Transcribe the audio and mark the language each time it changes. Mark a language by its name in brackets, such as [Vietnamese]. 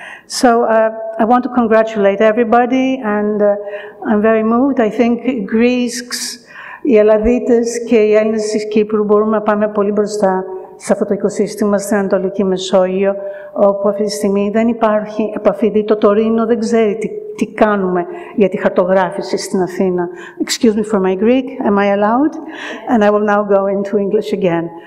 [English] So I want to congratulate everybody, and I'm very moved. I think Greeks, [Greek] οι Ελλαδίτες και οι Έλληνες της Κύπρου μπορούμε να πάμε πολύ μπροστά σε αυτό το οικοσύστημα, στην Ανατολική Μεσόγειο, όπου αυτή τη στιγμή δεν υπάρχει επαφή. Το Τωρίνο δεν ξέρει τι κάνουμε για τη χαρτογράφηση στην Αθήνα. [English] Excuse me for my Greek, am I allowed? And I will now go into English again.